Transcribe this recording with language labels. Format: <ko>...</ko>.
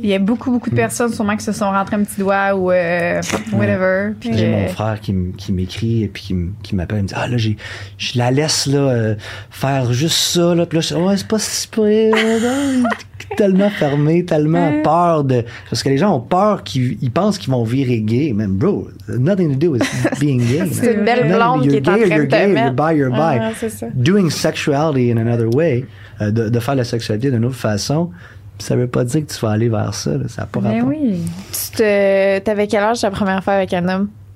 <fr>Il y a beaucoup, beaucoup de personnes, sûrement, qui se sont rentrées un petit doigt ou whatever. Ouais. Puis j'ai mon frère qui m'écrit et puis qui m'appelle et me dit ah là, je la laisse là, faire juste ça. Là. Puis là, je dis ouais, c'est pas. Tellement fermé, tellement peur de. Parce que les gens ont peur qu'ils pensent qu'ils vont virer gay.</fr> <en>Man, bro, nothing to do with being gay.</en> <fr>C'est une belle blonde qui est en train de faire.</fr> <en>You're gay, you're bi, you're bi.</en> <fr>Ah, c'est ça.</fr> <en>Doing sexuality in another way,</en> <fr>de faire la sexualité d'une autre façon, ça veut pas dire que tu vas aller vers ça. Là. Ça n'a pas rapport. Mais oui. T'avais quel âge la première fois avec un homme?</fr>